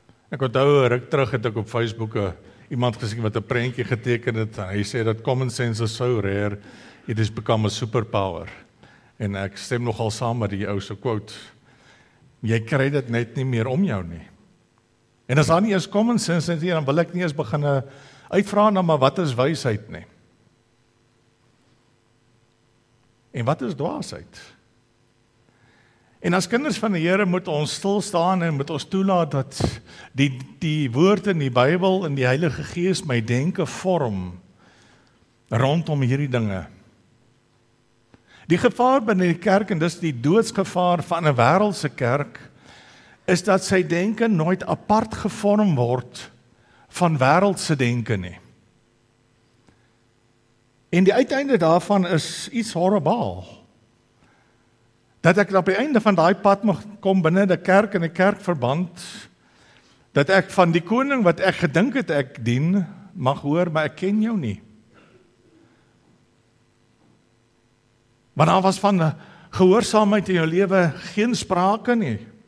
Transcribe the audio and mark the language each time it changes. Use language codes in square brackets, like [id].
[af] Ek onthou 'n ruk terug het ek op Facebook iemand gesien wat 'n prentjie geteken het. Hy sê dat [en] common sense is so rare, it has become a superpower. [af] En ek stem nogal saam met die ou se quote. Jy kry dit net nie meer om jou nie. En as daar nie eens common sense is nie, dan wil ek nie eens begin uitvra na maar wat is wysheid nie. En wat is dwaasheid? En as kinders van die Here moet ons stil staan en moet ons toelaat dat die woord in die Bybel en die Heilige Gees my denke vorm rondom hierdie dinge. Die gevaar binne die kerk, en dis die doodsgevaar van 'n wêreldse kerk, is dat sy denke nooit apart gevorm word van wêreldse denke nie. En die uiteinde daarvan is iets horribaal. Dat ek op die einde van daai pad mag kom binne die kerk en die kerkverband, dat ek van die koning wat ek gedink het ek dien, mag hoor, maar ek ken jou nie. Maar daar was van gehoorsaamheid in jou lewe geen sprake nie.